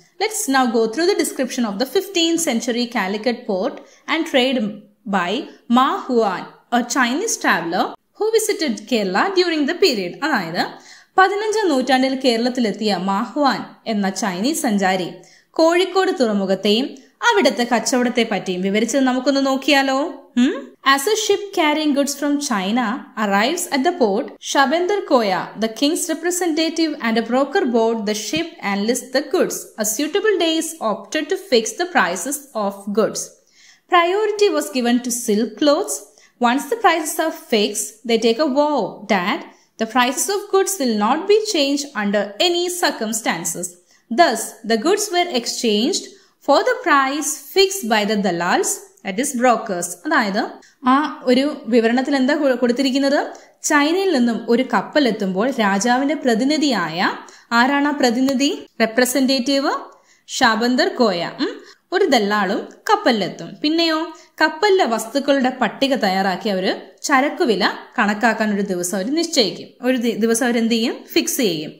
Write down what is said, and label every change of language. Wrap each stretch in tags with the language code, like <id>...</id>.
<en>Let's now go through the description of the 15th century Calicut port and trade by Ma Huan, a Chinese traveller who visited Kerala during the period.</en> <ml>അതായത് 15th നൂറ്റാണ്ടിൽ കേരളത്തിലെത്തിയ മാ Juan എന്ന Chinese സഞ്ചാരി കോഴിക്കോട് തുറമുഖത്തെയും അവിടുത്തെ കച്ചവടത്തെ പറ്റിയും വിവരിച്ചത് നമുക്കൊന്ന് നോക്കിയാലോ.</ml> <en>As a ship carrying goods from China arrives at the port, Shabendar Koya, the king's representative and a broker, board the ship and list the goods. A suitable day is opted to fix the prices of goods. Priority was given to silk clothes. Once the prices are fixed, they take a vow that the prices of goods will not be changed under any circumstances. Thus, the goods were exchanged for the price fixed by the dalals, that is brokers.</en> <ml>അതായത് ആ ഒരു വിവരണത്തിൽ എന്താ കൊടുത്തിരിക്കുന്നത്, ചൈനയിൽ നിന്നും ഒരു കപ്പൽ എത്തുമ്പോൾ രാജാവിന്റെ പ്രതിനിധിയായ ആരാണ് ആ പ്രതിനിധി, റെപ്രസെന്റേറ്റീവ് ഷാബന്ദർ കോയ, ഒരു ദല്ലാളും കപ്പലിലെത്തും. പിന്നെയോ, കപ്പലിലെ വസ്തുക്കളുടെ പട്ടിക തയ്യാറാക്കി അവർ ചരക്കുവില കണക്കാക്കാൻ ഒരു ദിവസം അവർ നിശ്ചയിക്കും, ഒരു ദിവസം അവരെന്ത് ചെയ്യും, ഫിക്സ് ചെയ്യും.</ml>